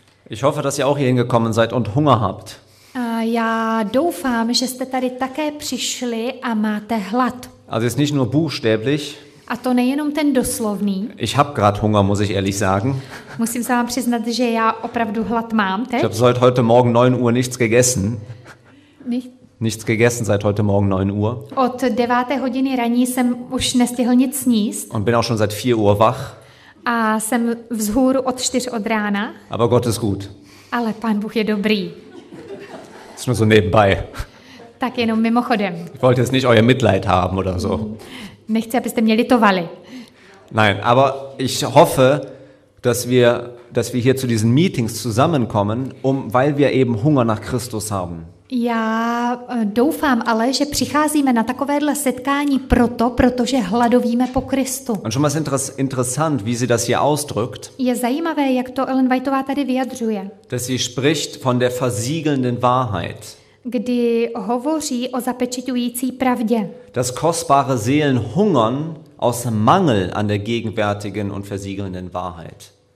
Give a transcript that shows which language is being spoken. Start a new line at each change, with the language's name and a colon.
German: Ich hoffe, dass ihr auch hierhin gekommen seid und Hunger habt.
Czech: Já doufám, že jste tady také přišli a máte hlad.
German: Also ist nicht nur buchstäblich.
Czech: A to nejenom ten doslovný.
German: Ich hab grad Hunger, muss ich ehrlich sagen.
Czech: Musím se vám přiznat, že já opravdu hlad mám teď.
German: Ich hab seit heute Morgen 9 Uhr nichts gegessen. Nichts gegessen seit heute Morgen 9 Uhr.
Czech: Od 9. hodiny raní jsem už nestihl nic sníst.
German: Und bin auch schon seit 4 Uhr wach.
Czech: A jsem vzhůru od 4 od rána.
German: Aber Gott ist gut.
Czech: Ale Pán Bůh je dobrý.
German: Das ist nur so nebenbei.
Czech: Tak jenom mimochodem.
German: Ich wollte jetzt nicht euer Mitleid haben oder so.
Czech: Nechci, abyste mě litovali.
German: Nein, aber ich hoffe, dass wir hier zu diesen Meetings zusammenkommen, weil wir eben Hunger nach Christus haben.
Czech: Já doufám ale, že přicházíme na takovéhle setkání protože hladovíme po Kristu.
German: Und schon mal ist interessant, wie sie das hier ausdrückt.
Czech: Je zajímavé, jak to Ellen Whiteová tady vyjadřuje.
German: Dass sie spricht von der versiegelnden Wahrheit.
Czech: Kdy hovoří o zapečeťující pravdě.
German: Dass kostbare Seelen hungern aus Mangel an der gegenwärtigen und versiegelnden Wahrheit.